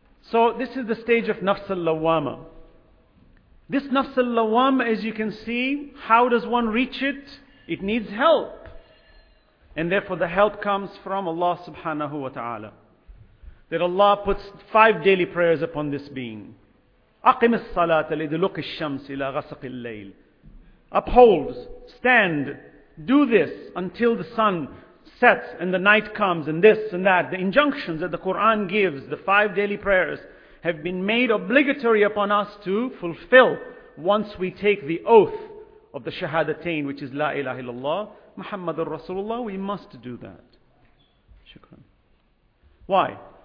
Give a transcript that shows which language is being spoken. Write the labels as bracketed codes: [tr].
[en] So this is the stage of nafs al-lawwama. This nafs al-lawwama, as you can see, how does one reach it? It needs help. And therefore the help comes from Allah subhanahu wa ta'ala. That Allah puts 5 daily prayers upon this being. [ar] أقم الصلاة لدلوك الشمس إلى غسق الليل. [en] Uphold, stand, do this until the sun sets and the night comes and this and that. The injunctions that the Quran gives, the 5 daily prayers, have been made obligatory upon us to fulfill once we take the oath of the Shahadatain, which is [ar] La ilaha illallah, Muhammadur Rasulullah. [en] We must do that. Shukran. Why?